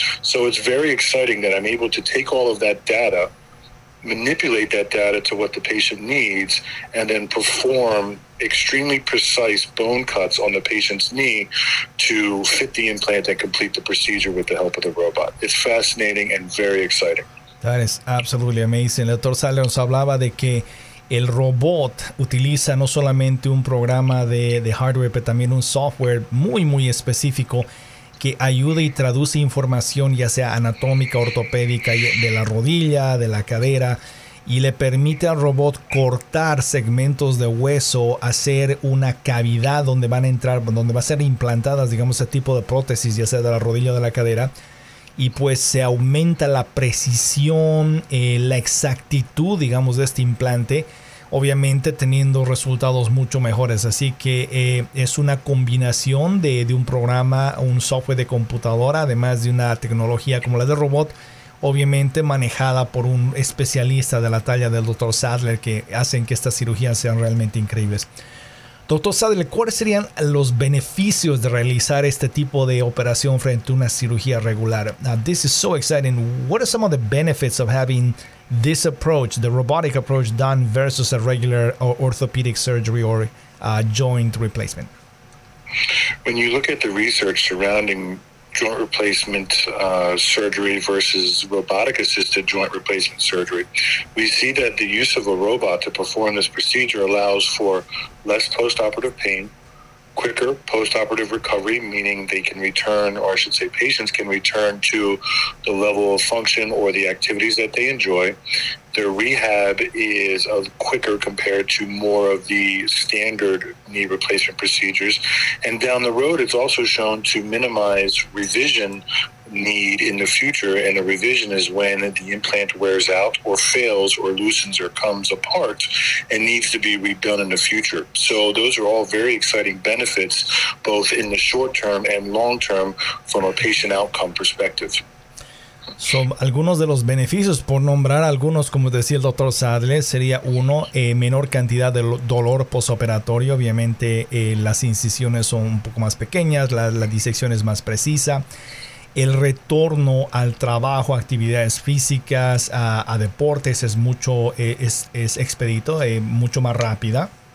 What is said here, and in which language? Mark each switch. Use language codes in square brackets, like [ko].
[en] So it's very exciting that I'm able to take all of that data, manipulate that data to what the patient needs, and then perform extremely precise bone cuts on the patient's knee to fit the implant and complete the procedure with the help of the robot. It's fascinating and very exciting. That is absolutely amazing. El Dr. [es] Sale nos hablaba de que el robot utiliza no solamente un programa de hardware, pero también un software muy, muy específico que ayuda y traduce información ya sea anatómica, ortopédica, de la rodilla, de la cadera, y le permite al robot cortar segmentos de hueso, hacer una cavidad donde van a entrar, donde va a ser implantadas, digamos, ese tipo de prótesis, ya sea de la rodilla o de la cadera, y pues se aumenta la precisión, la exactitud, digamos, de este implante, obviamente teniendo resultados mucho mejores. Así que es una combinación de un programa, un software de computadora, además de una tecnología como la de robot, obviamente manejada por un especialista de la talla del Dr. Sadler, que hacen que estas cirugías sean realmente increíbles. Dr. Sadler, ¿cuáles serían los beneficios de realizar este tipo de operación frente a una cirugía regular? [en] Now, this is so exciting. What are some of the benefits of having this approach, the robotic approach, done versus a regular orthopedic surgery or joint replacement? When you look at the research surrounding joint replacement surgery versus robotic-assisted joint replacement surgery, we see that the use of a robot to perform this procedure allows for less postoperative pain, quicker postoperative recovery, meaning they can return, or I should say patients can return to the level of function or the activities that they enjoy. Their rehab is quicker compared to more of the standard knee replacement procedures. And down the road, it's also shown to minimize revision need in the future. And a revision is when the implant wears out or fails or loosens or comes apart and needs to be redone in the future. So those are all very exciting benefits, both in the short term and long term, from a patient outcome perspective. [es] Son algunos de los beneficios, por nombrar algunos, como decía el Dr. Sadler, sería uno, menor cantidad de dolor posoperatorio, obviamente las incisiones son un poco más pequeñas, la disección es más precisa, el retorno al trabajo, actividades físicas, a deportes es mucho, es expedito, mucho más rápida.